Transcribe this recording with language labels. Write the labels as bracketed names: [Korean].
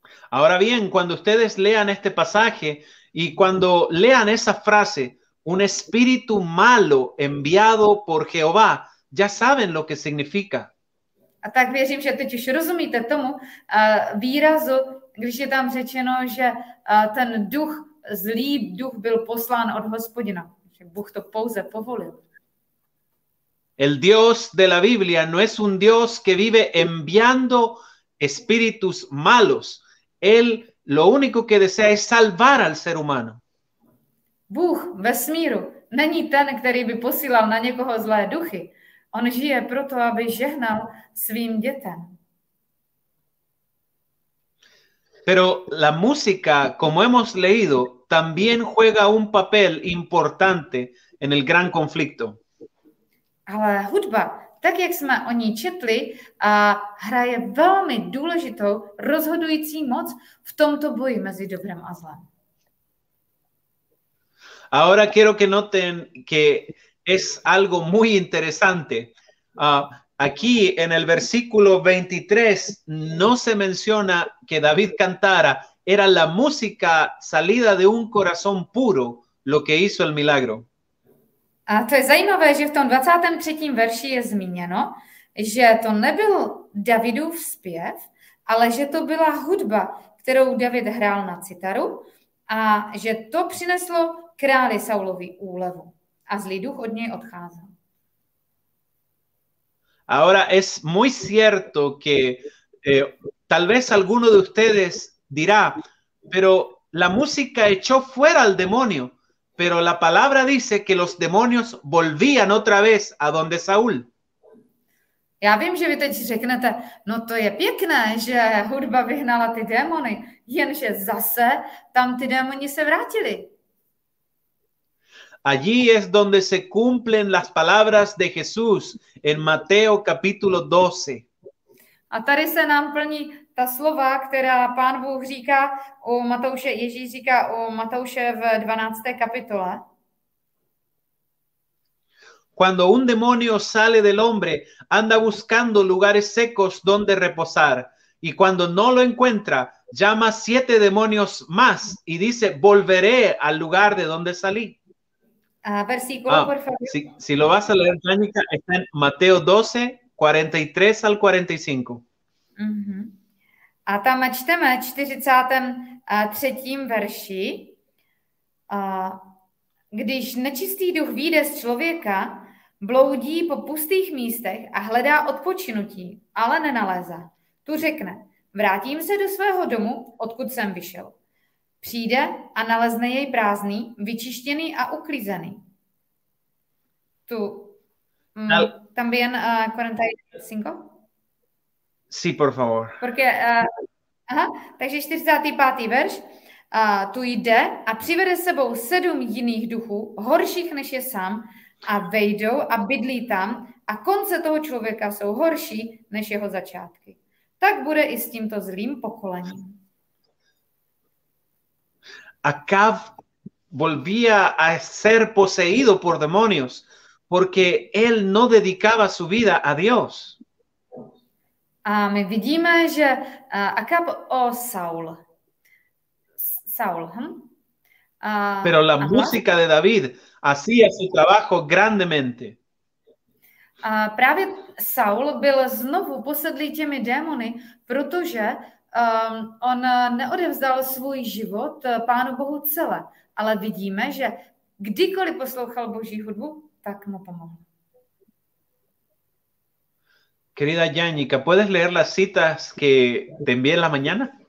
[Spanish] Ahora bien, cuando ustedes lean este pasaje y cuando lean esa frase, un espíritu malo enviado por Jehová, ya saben lo que significa. [Czech] A tak věřím, že teď už rozumíte tomu výrazu, když je tam řečeno, že ten duch zlý duch byl poslán od Hospodina, že Bůh to pouze povolil. [Spanish] El Dios de la Biblia no es un Dios que vive enviando espíritus malos. Él lo único que desea es salvar al ser humano. [Czech] Bůh ve smíru není ten, který by posílal na někoho zlé duchy. On žije proto, aby žehnal svým dětem. [Spanish] Pero la música, como hemos leído, también juega un papel importante en el gran conflicto. [Czech] Ale hudba, tak jak jsme o ní četli, a hraje velmi důležitou rozhodující moc v tomto boji mezi dobrem a zlem. [Spanish] Ahora quiero que noten que es algo muy interesante. Aquí en el versículo 23 no se menciona que David cantara, era la música salida de un corazón puro lo que hizo el milagro. [Czech] A to je zajímavé, že v tom 23. verši je zmíněno, že to nebyl Davidův zpěv, ale že to byla hudba, kterou David hrál na citaru a že to přineslo králi Saulovi úlevu a zlý duch od něj odcházel. [Spanish] Ahora es muy cierto que tal vez alguno de ustedes dirá, pero la música echó fuera al demonio, pero la palabra dice que los demonios volvían otra vez a donde Saúl. [Czech] Já vím, že vy teď řeknete, no to je pěkné, že hudba vyhnala ty démony, jenže zase tam ty démoni se vrátili. [Spanish] Allí es donde se cumplen las palabras de Jesús en Mateo capítulo 12. [Czech] A tady se nám plní ta slova, která Pán Bůh říká o Matouše, Ježíš říká o Matouše v 12. kapitole. [Spanish] Cuando un demonio sale del hombre, anda buscando lugares secos donde reposar, y cuando no lo encuentra, llama siete demonios más y dice, volveré al lugar de donde salí. Versículo, por favor. Si lo vas a leer, Mónica, está en Mateo 12, 43 al 45. [Czech] A tam čteme 43. verši, když nečistý duch vyjde z člověka, bloudí po pustých místech a hledá odpočinutí, ale nenalézá. Tu řekne, vrátím se do svého domu, odkud jsem vyšel. Přijde a nalezne jej prázdný, vyčištěný a uklízený. [Spanish] Tu. También Corintios 5? Sí, por favor. [Czech] Porque, takže 45. verš. Tu jde a přivede sebou sedm jiných duchů, horších než je sám, a vejdou a bydlí tam a konce toho člověka jsou horší než jeho začátky. Tak bude i s tímto zlým pokolením. [Spanish] Acab volvía a ser poseído por demonios, porque él no dedicaba su vida a Dios. [Czech] A my vidíme, že Acab o Saul. Saul. [Spanish] Pero la música de David hacía su trabajo grandemente. [Czech] Právě Saul byl znovu posedlý těmi démony, protože on neodevzdal svůj život Pánu Bohu celé. Ale vidíme, že kdykoliv poslouchal Boží hudbu, tak mu pomohl. [Spanish] Querida Yannicka, ¿puedes leer las citas que te envié en la mañana?